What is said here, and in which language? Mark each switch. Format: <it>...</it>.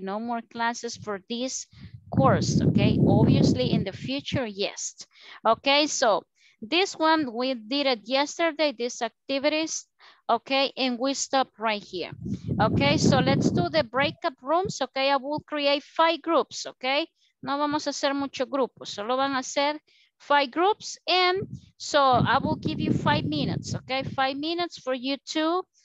<en>No more classes for this course, okay? Obviously in the future, yes. Okay, so this one, we did it yesterday, these activities, okay? And we stop right here. Okay, so let's do the breakup rooms, okay? I will create 5 groups, okay?</en> <es>No vamos a hacer muchos grupos, solo van a hacer 5 groups.</es> <en>And so I will give you 5 minutes, okay? 5 minutes for you to...</en>